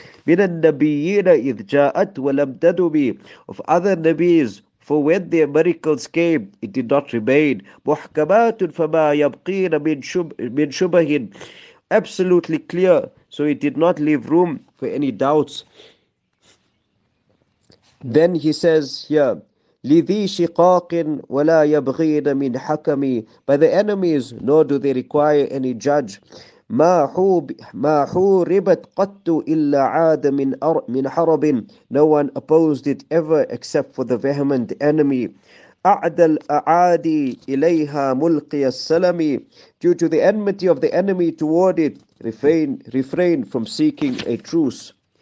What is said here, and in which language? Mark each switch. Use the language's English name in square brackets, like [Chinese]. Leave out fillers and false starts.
[Arabic] مِنَ النَّبِيِّينَ إِذْ جَاءَتْ وَلَمْ تَدُمِ. [English] Of other Nabis, for when their miracles came, it did not remain. [Arabic] مُحْكَمَاتٌ فَمَا يَبْقِينَ مِنْ شُبَهٍ. [English] Absolutely clear, so it did not leave room for any doubts. Then he says here, [Arabic] لِذِي شِقَاقٍ وَلَا يَبْغِينَ مِنْ حَكَمِي. [English] By the enemies, nor do they require any judge. [Arabic] مَا حُورِبَتْ قَتُّ إِلَّا عَادَ مِنْ حَرَبٍ. [English] No one opposed it ever except for the vehement enemy. [Arabic] أعد الأعادي إليها ملقي السلم [English] due to the enmity of the enemy toward it, refrain from seeking a truce.